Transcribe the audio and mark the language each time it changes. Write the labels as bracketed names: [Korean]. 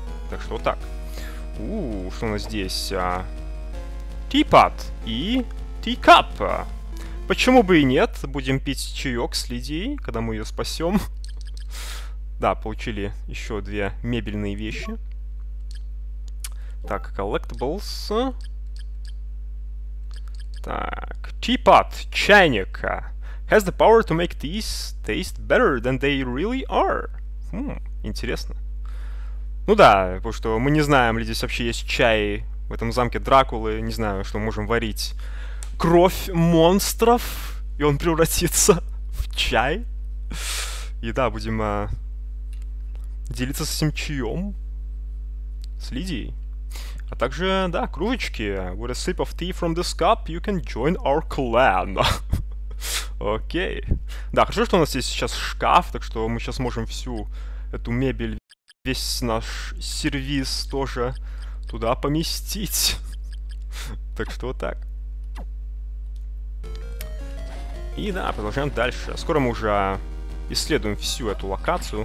[Russian] Так что вот так. Что у нас здесь? Teapot и Teacup. Почему бы и нет? Будем пить чаек с Лидией, когда мы ее спасем. Да, получили еще две мебельные вещи. Так, collectibles. Так, teapot, чайник. [English] Has the power to make these taste better than they really are. [Russian] Интересно. Ну да, потому что мы не знаем, ли здесь вообще есть чай в этом замке Дракулы. Не знаю, что мы можем варить кровь монстров, и он превратится в чай. И да, будем делиться с этим чаем, с Лидией. А также, да, кружечки. [English] With a sip of tea from this cup, you can join our clan. [Russian] Окей. Да, хорошо, что у нас есть сейчас шкаф, так что мы сейчас можем всю эту мебель, весь наш сервиз тоже туда поместить. Так что вот так. И да, продолжаем дальше. Скоро мы уже исследуем всю эту локацию.